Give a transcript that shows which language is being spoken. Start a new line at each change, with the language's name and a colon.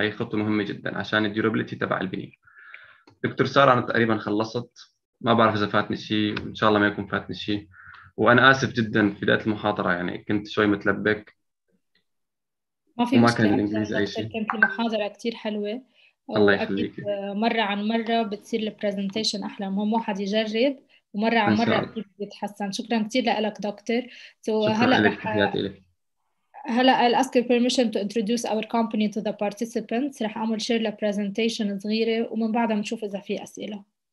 Arabic: هي خطوه مهمه جدا عشان الديورابيلتي تبع الفينير. دكتور سارة أنا تقريبا خلصت ما بعرف إذا فاتني شيء وإن شاء الله ما يكون فاتني شيء وأنا آسف جدا في بداية المحاضرة يعني كنت شوي متلبك ما في مشكلة دكتور كانت المحاضرة كتير حلوة الله يخليك. مرة عن مرة بتصير البرزنتيشن أحلى مهم واحد يجرب ومرة عن مرة أكيد بيتحسن. شكرا كتير لألك دكتور. هلأ
English: I'll ask your permission to introduce our company to the participants.
Arabic: رح أعمل
English: share the presentation
Arabic: صغيرة ومن بعدها نشوف إذا في أسئلة.